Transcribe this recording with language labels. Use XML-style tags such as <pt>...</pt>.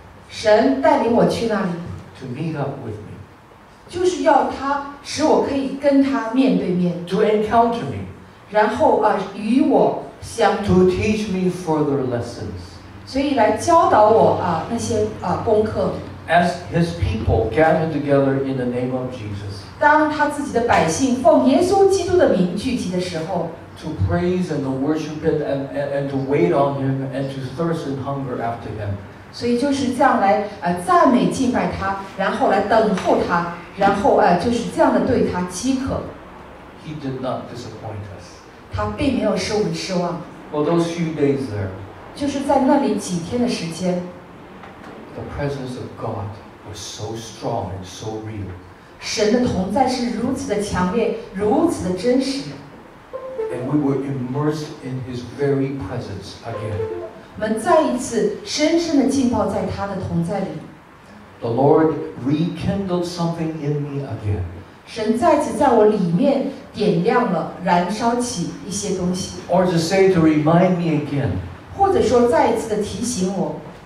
<zh>神带领我去那里</zh> <en>To meet up with me</en> <zh>就是要他使我可以跟他面对面</zh> <en>To encounter me</en> <zh>然后与我相</zh> <en>To teach me further lessons</en> <zh>所以来教导我那些功课</zh> <en>As his people gathered together in the name of Jesus,</en> <zh>当他自己的百姓奉耶稣基督的名聚集的时候</zh> <en>to praise and to worship him and to wait on him and to thirst and hunger after him.</en> <zh>所以就是这样来赞美敬拜他，然后来等候他，然后就是这样的对他饥渴。</zh> <en>He did not disappoint us.</en> <zh>他并没有使我们失望。</zh> <en>For those few days there,</en> <zh>就是在那里几天的时间。</zh> <en>The presence of God was so strong and so real.</en> <zh>神的同在是如此的强烈，如此的真实。</zh> <en>And we were immersed in His very presence again.</en> <zh>我们再一次深深的浸泡在他的同在里。</zh> <en>The Lord rekindled something in me again.</en> <zh>神再次在我里面点亮了燃烧起一些东西</zh> <en>or to say to remind me again</en> <zh>或者说再一次的提醒我</zh>